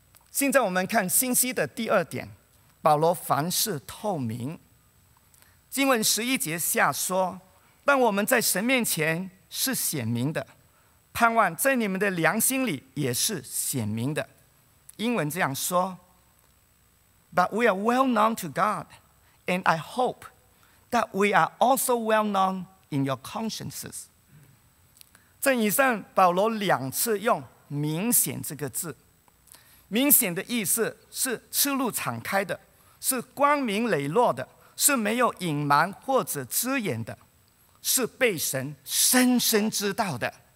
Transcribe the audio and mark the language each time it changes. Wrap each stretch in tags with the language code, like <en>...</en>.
<zh>现在我们看信息的第二点，保罗凡事透明。经文十一节下说，但我们在神面前是显明的，盼望在你们的良心里也是显明的。英文这样说，</zh> <en>But we are well known to God, and I hope that we are also well known in your consciences.</en> <zh>这以上保罗两次用明显这个字，明显的意思是赤露敞开的，是光明磊落的，是没有隐瞒或者遮掩的，是被神深深知道的。</zh>